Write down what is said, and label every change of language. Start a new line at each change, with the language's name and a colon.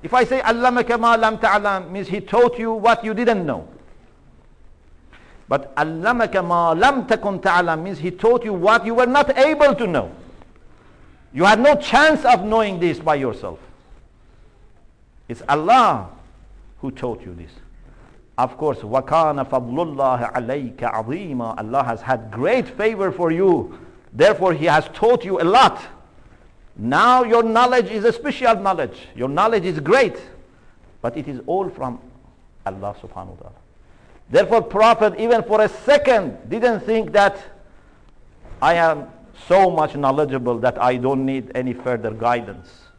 English: If I say
Arabic: allamaka ma lam ta'lam,
English: means he taught you what you didn't know. But
Arabic: allamaka ma lam takun ta'lam
English: means he taught you what you were not able to know. You had no chance of knowing this by yourself. It's Allah who taught you this. Of course,
Arabic: وَكَانَ فَضْلُ اللَّهِ عَلَيْكَ عَظِيمًا.
English: Allah has had great favor for you. Therefore, He has taught you a lot. Now your knowledge is a special knowledge. Your knowledge is great. But it is all from Allah subhanahu wa ta'ala. Therefore, Prophet, even for a second, didn't think that I am so much knowledgeable that I don't need any further guidance.